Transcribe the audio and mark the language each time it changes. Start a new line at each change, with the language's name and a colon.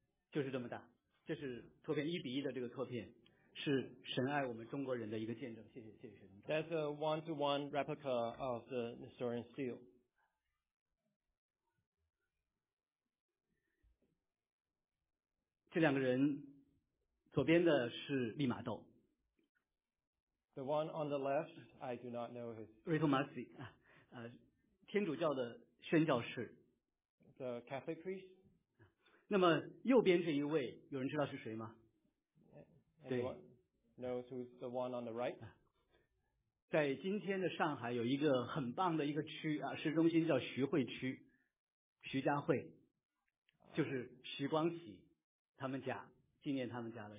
Chinese: 就是这么大，这是拓片一比一的这个拓片，是神爱我们中国人的一个见证。谢谢，谢谢神。
English: That's a one-to-one replica of the Nestorian steel.
Chinese: 这两个人，左边的是利玛窦。
English: The one on the left, I do not know his.
Chinese: Ritomasi, 天主教的宣教士。
English: The Catholic priest.
Chinese: 那么右边这一位，有人知道是谁吗？
English: Anyone knows who's the one on the right?
Chinese: 在今天的上海有一个很棒的一个区啊，市中心叫徐汇区，徐家汇，就是徐光启他们家，纪念他们家的。